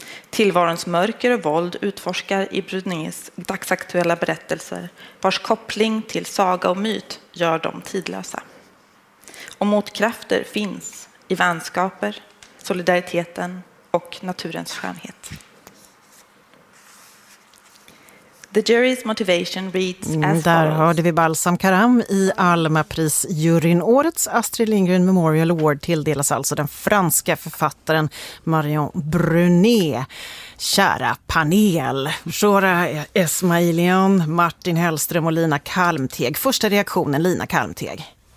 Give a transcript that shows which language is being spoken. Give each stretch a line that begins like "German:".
Swedish: Tillvarons mörker och våld utforskar i Brunets dagsaktuella berättelser, vars koppling till saga och myt gör dem tidlösa. Och motkrafter finns i vänskaper, solidariteten och naturens skönhet.
English: The jury's motivation reads as follows.
Swedish: Där hörde vi Balsam Karam i Almapris-juryn. Årets Astrid Lindgren Memorial Award tilldelas alltså den franska författaren Marion Brunet. Kära panel, Shora Esmailian, Martin Hellström och Lina Kalmteg. Första reaktionen, Lina Kalmteg.